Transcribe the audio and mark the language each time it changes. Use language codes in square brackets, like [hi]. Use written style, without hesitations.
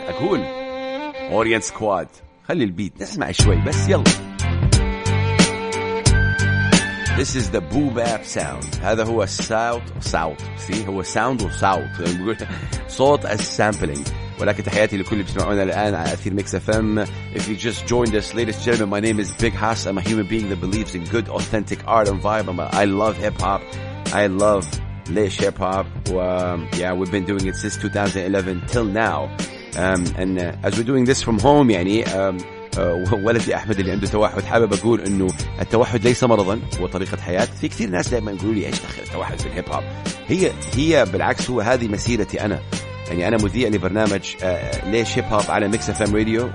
[ar] أقول أورينت سكواد، خلي البيت نسمع شوي بس. يلا. [en] This is the boobab sound. [ar] هذا هو [en] sound sound. See, هو sound و sound. قلت صوت السامبلينج. [ar] ولكن تحياتي لكل اللي بسمعونا الآن على أثير ميكس أف أم. [en] If you just joined us, ladies and gentlemen, my name is Big Hass. I'm a human being that believes in good, authentic art and vibe. I love hip hop. I love Laish Hip Hop. Yeah, we've been doing it since 2011 till now. As we're doing this from home, يعني. [ar] ولدي أحمد اللي عنده توحد، حابب أقول إنه التوحد ليس مرضا، هو طريقة حياة. في كثير ناس دائما يقولوا لي إيش دخل التوحد في الهيب هوب؟ هي بالعكس، هو هذه مسيرتي أنا. يعني أنا مذيع لبرنامج ليش هيب هوب على ميكس أف أم راديو.